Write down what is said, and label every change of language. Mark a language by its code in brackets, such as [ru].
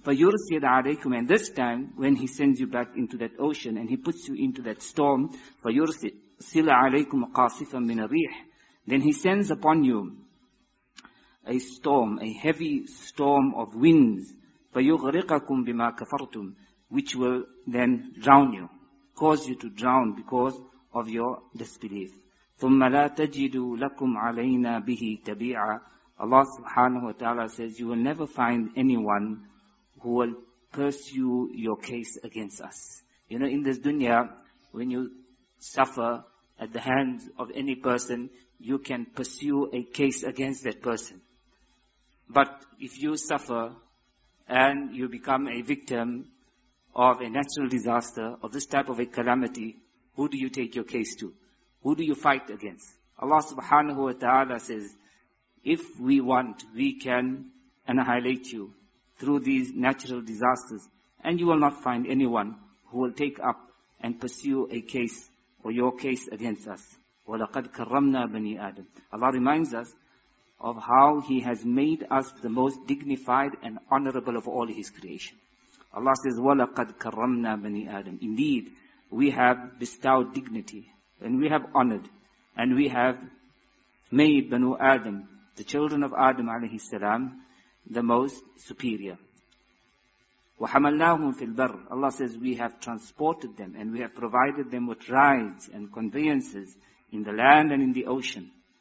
[ar] فَيُرْسِيَدْ عَلَيْكُمْ, [en] and this time when He sends you back into that ocean and He puts you into that storm, [ar] فَيُرْسِيَدْ سِلَ عَلَيْكُمْ قَاصِفًا مِنَ الرِّيحِ, [en] then He sends upon you a storm, a heavy storm of winds [ar] فيغرقكم بما كفرتم, [en] which will then drown you, cause you to drown because of your disbelief. [ar] ثم لا تجدوا لكم علينا به تبيعا. [en] Allah subhanahu wa ta'ala says, you will never find anyone who will pursue your case against us. You know, in this dunya, when you suffer at the hands of any person, you can pursue a case against that person. But if you suffer and you become a victim of a natural disaster, of this type of a calamity, who do you take your case to? Who do you fight against? Allah subhanahu wa ta'ala says, if we want, we can annihilate you through these natural disasters, and you will not find anyone who will take up and pursue a case or your case against us. [ar] وَلَقَدْ كَرَّمْنَا بَنِي آدَمَ. [en] Allah reminds us of how He has made us the most dignified and honorable of all His creation. Allah says, [ar] وَلَقَدْ كَرَّمْنَا بَنِي آدَمَ. [en] Indeed, we have bestowed dignity, and we have honored, and we have made Banu Adam, the children of Adam alayhi salam, the most superior. [ar] وَحَمَلْنَاهُمْ فِي الْبَرِّ. [en] Allah says, we have transported them and we have provided them with rides and conveyances in the land and in the ocean.